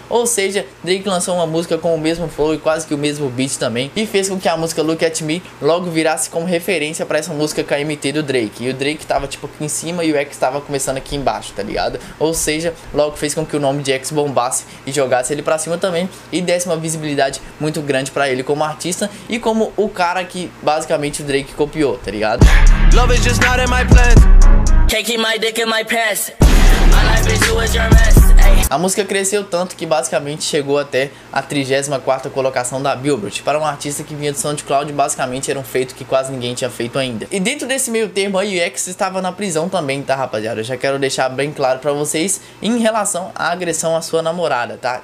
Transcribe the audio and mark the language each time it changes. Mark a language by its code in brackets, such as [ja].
[pt] Ou seja, Drake lançou uma música com o mesmo flow e quase que o mesmo beat também, e fez com que a música Look At Me logo virasse como referência pra essa música KMT do Drake. E o Drake tava tipo aqui em cima e o X tava começando aqui embaixo, tá ligado? Ou seja, logo fez com que o nome de X bombasse e jogasse ele pra cima também, e desse uma visibilidade muito grande pra ele como artista e como o cara que basicamente o Drake copiou, tá ligado? [en] Love is just not in my plans. Can't keep my dick in my pants. My life is you, it's your mess. [pt] A música cresceu tanto que basicamente chegou até a 34ª colocação da Billboard. Para um artista que vinha do SoundCloud, basicamente era um feito que quase ninguém tinha feito ainda. E dentro desse meio termo aí, o X estava na prisão também, tá rapaziada? Eu já quero deixar bem claro pra vocês em relação à agressão à sua namorada, tá?